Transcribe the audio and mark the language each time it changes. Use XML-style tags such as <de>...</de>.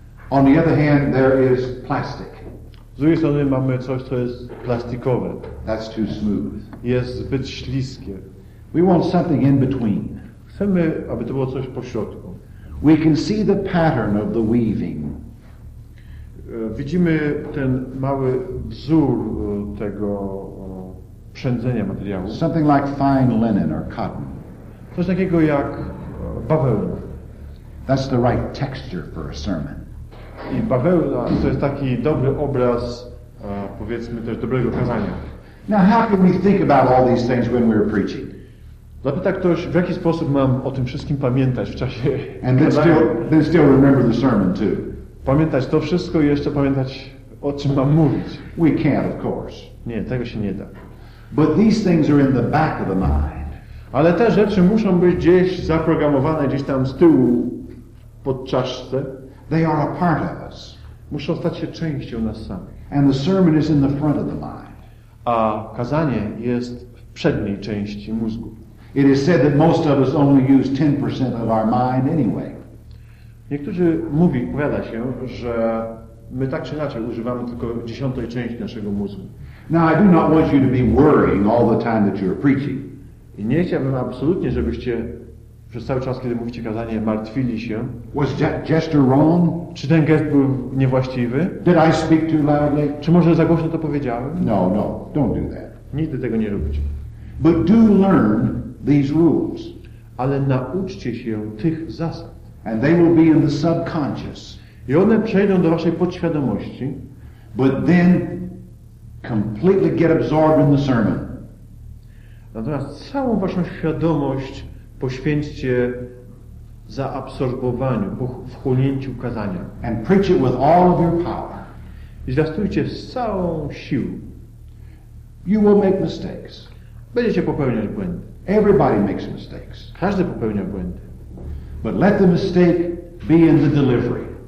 <en>On the other hand, there is plastic.</en> <pl>Z drugiej strony mamy coś, co jest plastikowe.</pl> <en>That's too smooth.</en> <pl>Jest zbyt śliskie.</pl> <en>We want something in between.</en> <pl>Chcemy, aby to było coś pośrodku.</pl> <en>We can see the pattern of the weaving.</en> <pl>Widzimy ten mały wzór tego przędzenia materiału.</pl> <en>Something like fine linen or cotton.</en> <pl>Coś takiego jak bawełna.</pl> <en>That's the right texture for a sermon.</en> <pl>I bawełna to jest taki dobry obraz, powiedzmy też dobrego kazania.</pl> <en>Now how can we think about all these things when we're preaching?</en> <pl>Zapyta ktoś, w jaki sposób mam o tym wszystkim pamiętać w czasie</pl> <en>and then</en> <pl>kazania.</pl> <en>Then still remember the sermon too.</en> <pl>Pamiętać to wszystko i jeszcze pamiętać, o czym mam mówić.</pl> <en>We can't, of course.</en> <pl>Nie, tego się nie da.</pl> <en>But these things are in the back of the mind.</en> <pl>Ale te rzeczy muszą być gdzieś zaprogramowane, gdzieś tam z tyłu, pod czaszce.</pl> <en>They are a part of us.</en> <pl>Muszą stać się częścią nas samych.</pl> <en>And the sermon is in the front of the mind.</en> <pl>A kazanie jest w przedniej części mózgu.</pl> <en>It is said that most of us only use 10% of our mind anyway.</en> <pl>Niektórzy mówi, powiada się, że my tak czy inaczej używamy tylko dziesiątej części naszego mózgu.</pl> <en>Now I do not want you to be worrying all the time that you are preaching.</en> <pl>I nie chciałbym absolutnie, żebyście przez cały czas, kiedy mówicie kazanie, martwili się.</pl> <en>Was that gesture wrong?</en> <pl>Czy ten gest był niewłaściwy?</pl> <en>Did I speak too loudly?</en> <pl>Czy może za głośno to powiedziałem?</pl> <en>No, don't do that.</en> <pl>Nigdy tego nie róbcie.</pl> <en>But do learn these rules.</en> <pl>Ale nauczcie się tych zasad.</pl> <en>And they will be in the subconscious.</en> <pl>I one przejdą do waszej podświadomości.</pl> <en>But then completely get absorbed in the sermon.</en> <pl>Natomiast całą waszą świadomość poświęćcie za absorbowaniu, wchłonięciu kazania.</pl> <en>And preach it with all of your power.</en> <pl>I zwiastujcie z całą siłą.</pl> <en>You will make mistakes.</en> <pl>Będziecie popełniać błędy.</pl> <en>Everybody makes mistakes.</en> <pl>Każdy popełnia błędy.</pl> <en>But let the mistake be in the delivery.</en>